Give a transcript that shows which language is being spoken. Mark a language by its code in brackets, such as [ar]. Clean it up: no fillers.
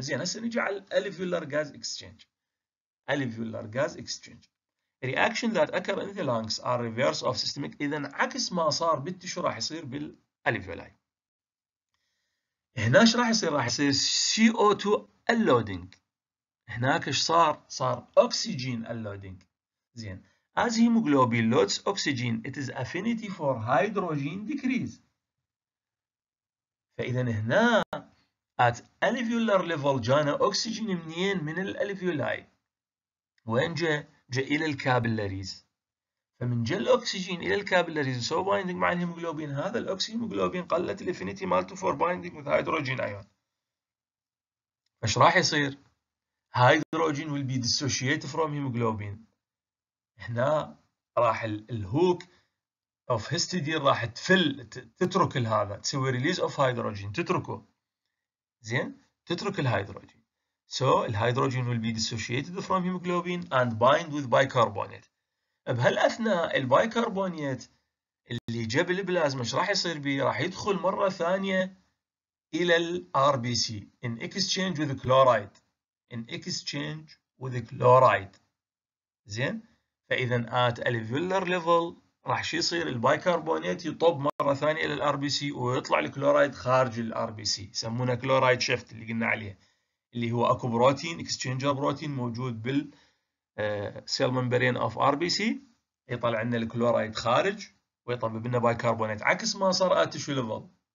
[ar] زين، هسه نجي على alveolar gas exchange. [en] alveolar gas exchange reaction that occur in the lungs are reverse of systemic. [ar] اذا عكس ما صار بالتش راح يصير بالالفيولاي. هنا ايش راح يصير؟ راح يصير CO2 unloading. هناك ايش صار؟ صار oxygen unloading. زين، [en] as hemoglobin loads oxygen it is affinity for hydrogen decrease. [ar] فاذا هنا at alveolar level جانا oxygen منين؟ من الالفيولاي. وين جاء؟ جاء الى الكابلاريز. فمن جاء الاكسجين الى الكابلاريز سو بايندينج مع الهيموجلوبين، هذا الاكسهيموجلوبين قلت الافينيتي مالته [en] For binding with hydrogen ion. [ar] فايش راح يصير؟ [en] Hydrogen will be dissociate from hemoglobin. [ar] هنا راح الهوك اوف هيستيدين راح تفل، تترك هذا، تسوي ريليز اوف هيدروجين، تتركه. زين؟ تترك الهيدروجين. [en] So the hydrogen will be dissociated from hemoglobin and bind with bicarbonate. [ar] بهالأثناء البايكربونات اللي جاب البلازما ايش راح يصير بيه؟ راح يدخل مرة ثانية إلى ال RBC [en] in exchange with chloride. In exchange with chloride. [ar] زين؟ فإذا at alveolar level راح شو يصير؟ البايكربونات يطب مرة ثانية إلى ال RBC ويطلع الكلورايد خارج ال RBC. يسمونه كلورايد شيفت اللي قلنا عليه. اللي هو اكو بروتين اكسشينجر بروتين موجود بال سيل ممبرين اوف ار بي سي، يطلع لنا الكلورايد خارج ويطبب لنا بايكربونات، عكس ما صار ات تشو ليفل.